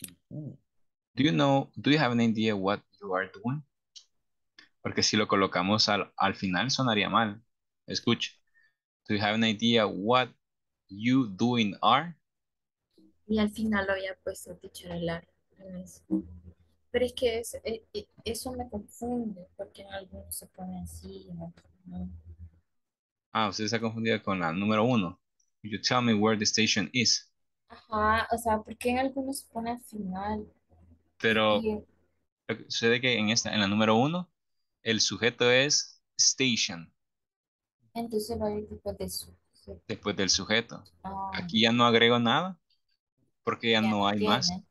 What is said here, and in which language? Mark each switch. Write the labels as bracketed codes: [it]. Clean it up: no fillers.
[en] Do you know, do you have an idea what you are doing? [es] Porque si lo colocamos al final sonaría mal. Escucha. [en] Do you have an idea what you doing are? [es] Y al final lo había puesto teacher el ar. Pero es que eso me confunde. Porque en algunos se pone así. En otros, ¿no? Ah, usted está confundida con la número uno. [en] Could you tell me where the station is? [es] Ajá, o sea, porque en algunos se pone al final. Pero sucede que en la número uno. El sujeto es station. Entonces va a ir después del sujeto. Después del sujeto. Oh. Aquí ya no agrego nada. Porque ya no hay más.